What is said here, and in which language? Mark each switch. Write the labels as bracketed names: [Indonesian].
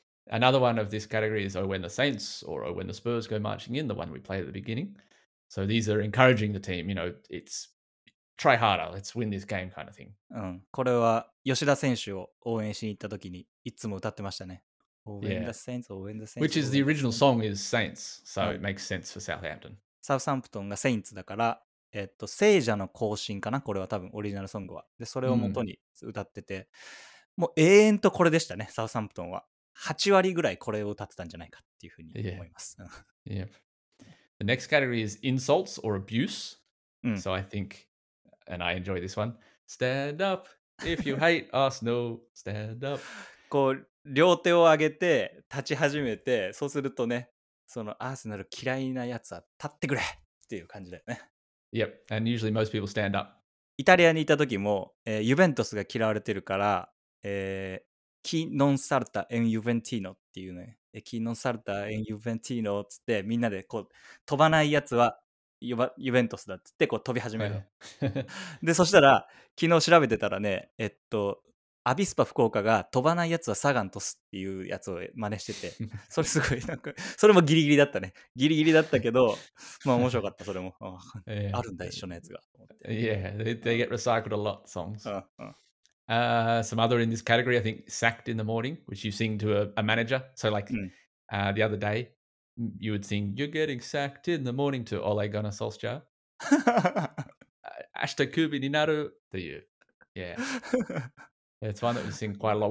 [English] Another one of this category is when the Saints or when the Spurs go marching in, the one we play at the beginning. So these are encouraging the team, you know, it's try harder, let's win this game kind of thing. [Japanese] これは吉田選手を応援しに行った時にいつも歌ってましたね。 [English] Which is the original song is Saints, so it makes sense for Southampton. [Japanese] サウサンプトンがセインツだから、聖者の行進かな、これは多分オリジナルソングは。で、それを元に歌ってて、もう永遠とこれでしたね、サウサンプトンは。 8割ぐらいこれを歌ってたんじゃないかっていうふうに思います。 [English] The next category is insults or abuse. So I think, and I enjoy this one, stand up if you hate Arsenal, stand up. [Japanese] こう両手を上げて立ち始めて、そうするとね、そのアーセナル嫌いなやつは立ってくれっていう感じだよね。 [English] Yep, and usually most people stand up. [Japanese] イタリアにいた時も、ユベントスが嫌われてるから、キノンサルタエンユベンティーノっていうね、エキノサルタエンユベンティーノっつってみんなでこう飛ばないやつはユベントスだっつってこう飛び始める、はい、でそしたら昨日調べてたらねアビスパ福岡が飛ばないやつはサガントスっていうやつを真似しててそれすごいなんかそれもギリギリだったねギリギリだったけどまあ面白かったそれもあるんだ一緒のやつが [English] Yeah, they get recycled a lot, songs. Some other in this category, I think, Sacked in the Morning, which you sing to a manager. So like、the other day, you would sing, You're getting sacked in the morning to Ole Gunnar Solskjaer. [Japanese] Ashita Kubi ni naru [English] to you. Yeah. It's one that we sing quite a lot.